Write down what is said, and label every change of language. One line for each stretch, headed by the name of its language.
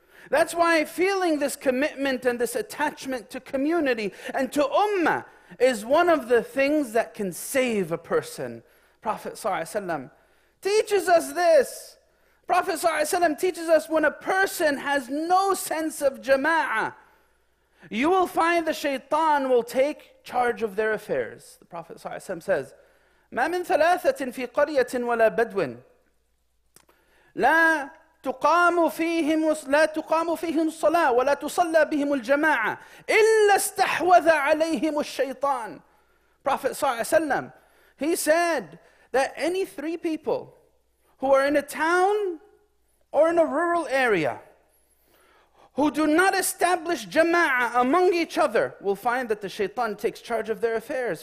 English: That's why feeling this commitment and this attachment to community and to ummah is one of the things that can save a person. Prophet ﷺ teaches us this. Prophet ﷺ teaches us when a person has no sense of jama'ah, you will find the shaitan will take charge of their affairs. The Prophet ﷺ says,
Arabic: ما من ثلاثة في قرية ولا بدو لا تقام فيهم لا تقام فيهم صلاة ولا تصلى بهم الجماعة إلا استحوذ عليهم الشيطان.
English: Prophet صلى الله عليه وسلم, he said that any three people who are in a town or in a rural area who do not establish jama'ah among each other will find that the shaitan takes charge of their affairs.